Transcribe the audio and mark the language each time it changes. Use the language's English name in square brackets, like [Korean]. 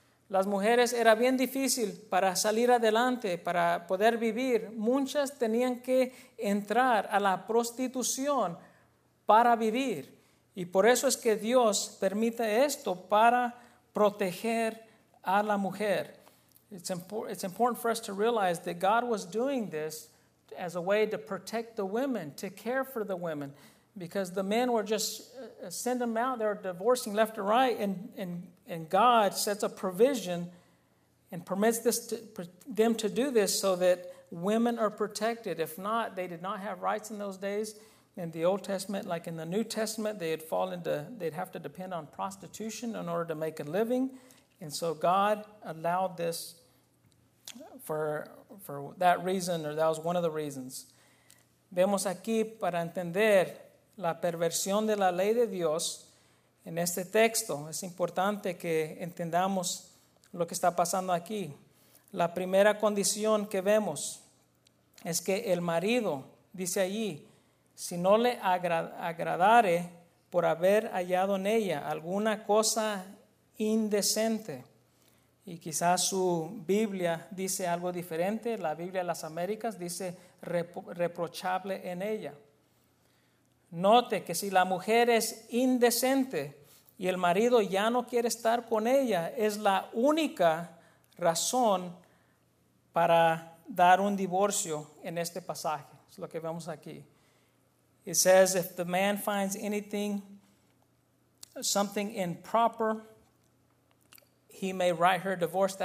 [Spanish] Las mujeres era bien difícil para salir adelante, para poder vivir. Muchas tenían que entrar a la prostitución para vivir. Y por eso es que Dios permite esto, para proteger a la mujer. [English] It's important for us to realize that God was doing this as a way to protect the women, to care for the women, because the men were just sending them out, they were divorcing left and right, and God sets a provision and permits them to do this so that women are protected. If not, they did not have rights in those days. In the Old Testament, like in the New Testament, they'd have to depend on prostitution in order to make a living. And so God allowed this for that reason, or that was one of the reasons. [Spanish] Vemos aquí, para entender la perversión de la ley de Dios, en este texto, es importante que entendamos lo que está pasando aquí. La primera condición que vemos es que el marido, dice allí, si no le agradare por haber hallado en ella alguna cosa indecente. Y quizás su Biblia dice algo diferente. La Biblia de las Américas dice reprochable en ella. Note que si la mujer es indecente y el marido ya no quiere estar con ella, es la única razón para dar un divorcio en este pasaje. Es lo que vemos aquí. [English] It says, if the man finds something improper, he may write her divorce.